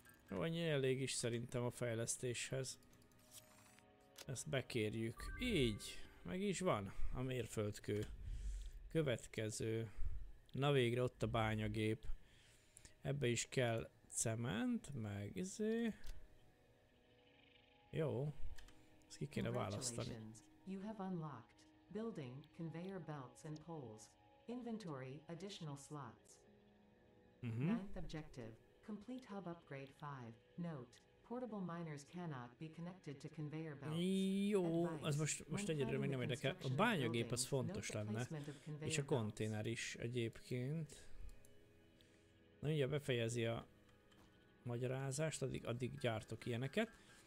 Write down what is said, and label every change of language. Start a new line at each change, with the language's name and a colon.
Hungarian: Jó, annyi elég is szerintem a fejlesztéshez. Ezt bekérjük. Így. Meg is van a mérföldkő. Következő. Na végre ott a bányagép. Ebbe is kell cement, meg izé. Jó. Ezt ki kéne választani.
English: You have unlocked building, conveyor belts and poles. Inventory, additional slots. Uh-huh. Ninth objective, complete hub upgrade 5. Note, portable miners cannot be connected to conveyor belts.
Hungarian: Jó, az most egyedül még nem érdekel. A bányagép az fontos lenne. És a konténer is egyébként. Na mindjárt befejezi a magyarázást, addig gyártok ilyeneket.